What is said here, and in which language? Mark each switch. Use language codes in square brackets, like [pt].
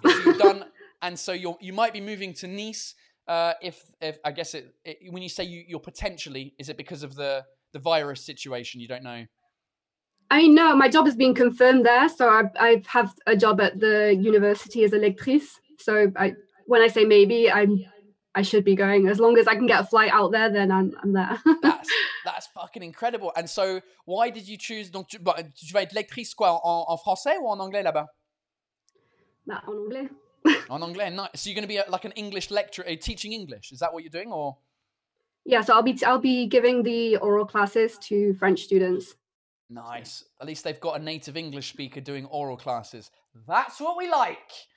[en] You've done, and so you might be moving to Nice. If I guess it, when you say you're potentially, is it because of the virus situation? You don't know. I mean, no, my job has been confirmed there. So I have a job at the university as a lectrice. So when I say maybe, I should be going. As long as I can get a flight out there, then I'm there. that's fucking incredible. And so why did you choose, [fr] donc tu vas être lectrice quoi, en français ou en anglais là-bas? Bah, en anglais. En anglais, nice. [en] So you're going to be like an English lecturer, teaching English. Is that what you're doing, or? Yeah, so I'll be giving the oral classes to French students. Nice. At least they've got a native English speaker doing oral classes. That's what we like.